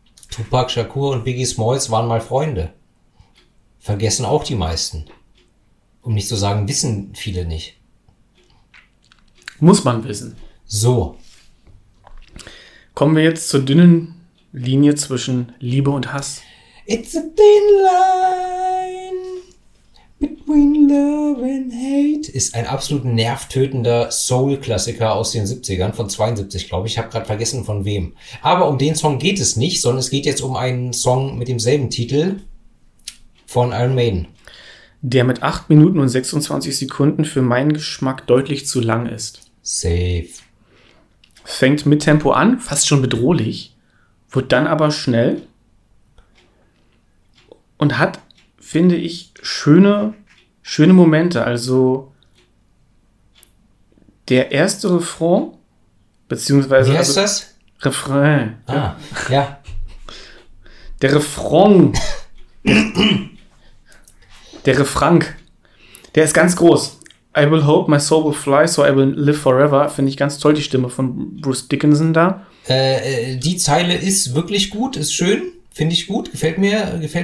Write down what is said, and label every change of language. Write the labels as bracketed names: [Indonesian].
[German] Tupac Shakur und Biggie Smalls waren mal Freunde. Vergessen auch die meisten. Um nicht zu sagen, wissen viele nicht. Muss man wissen. So. Kommen wir jetzt zur dünnen Linie zwischen Liebe und Hass. [English] It's a thin line between love and hate. [German] Ist ein absolut nervtötender Soul-Klassiker aus den 70ern, von 72, glaube ich. Ich habe gerade vergessen, von wem. Aber um den Song geht es nicht, sondern es geht jetzt um einen Song mit demselben Titel von Iron Maiden. Der mit 8 Minuten und 26 Sekunden für meinen Geschmack deutlich zu lang ist. Safe. Fängt mit Tempo an, fast schon bedrohlich, wird dann aber schnell. Und hat, finde ich, schöne Momente. Also der erste Refrain, beziehungsweise... Wie heißt das? Refrain. Ah, ja. Der Refrain. Der Refrain. Der ist ganz groß. [English] I will hope my soul will fly, so I will live forever. [German] Finde ich ganz toll, die Stimme von Bruce Dickinson da. Die Zeile ist wirklich gut, ist schön. Finde ich gut, gefällt mir.